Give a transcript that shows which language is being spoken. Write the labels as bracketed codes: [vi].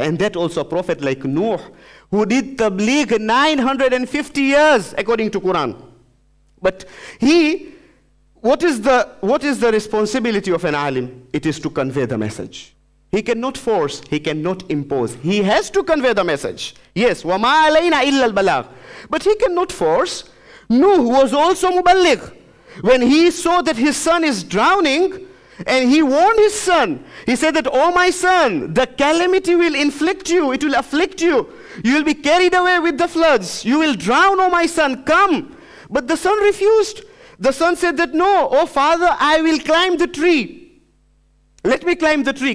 [en] And that also a prophet like Nuh, who did tabligh 950 years according to Quran. But he, what is the responsibility of an alim? It is to convey the message. He cannot force, he cannot impose. He has to convey the message. [ar] Yes, وَمَا عَلَيْنَا إِلَّا الْبَلَاغِ. [en] But he cannot force. Nuh was also muballigh. When he saw that his son is drowning, and he warned his son, he said that, oh my son, the calamity will inflict you, it will afflict you. You will be carried away with the floods. You will drown, oh my son, come. But the son refused. The son said that, no, oh father, I will climb the tree. Let me climb the tree.